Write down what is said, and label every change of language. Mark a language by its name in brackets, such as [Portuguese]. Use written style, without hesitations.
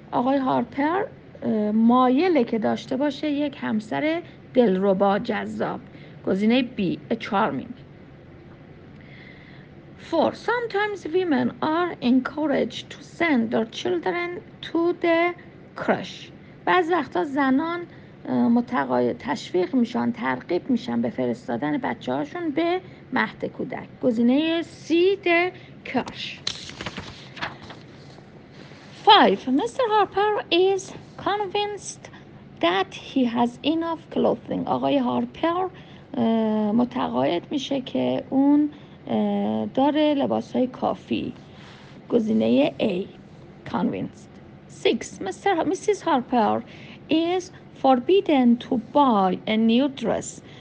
[Persian] آقای هارپر مایله که داشته باشه یک همسر دلربا جذاب. گزینه [English] B, a charming. 4. Sometimes women are encouraged to send their children to the crush. [Persian] بعض وقتا زنان تشویق میشن، ترغیب میشن به فرستادن بچه هاشون به مهد کودک. گزینه [English] C, the crush. 5. Mr. Harper is convinced that he has enough clothing. [Persian] آقای هارپر متقاعد میشه که اون داره لباسهای کافی. گزینه [English] A, convinced. 6. Mrs. Harper is forbidden to buy a new dress.